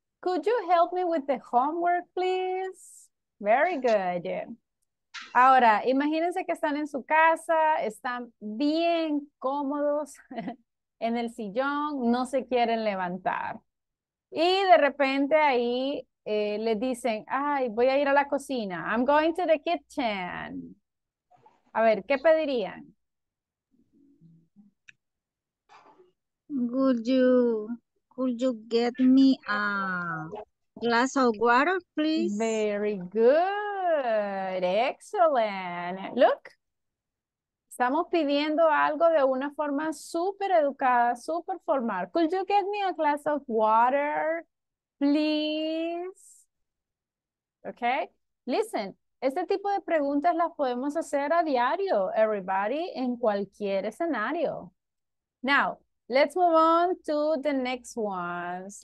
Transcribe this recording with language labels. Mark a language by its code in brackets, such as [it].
[en] Could you help me with the homework, please? Very good. [es] Ahora, imagínense que están en su casa, están bien cómodos en el sillón, no se quieren levantar. Y de repente ahí les dicen, ay, voy a ir a la cocina. [en] I'm going to the kitchen. [es] A ver, ¿qué pedirían? [en] Could you get me a glass of water, please? Very good. Excellent. Look. [es] Estamos pidiendo algo de una forma súper educada, súper formal. [en] Could you get me a glass of water? please? Okay, listen. [es] Este tipo de preguntas las podemos hacer a diario, everybody, en cualquier escenario. [en] Now, let's move on to the next ones.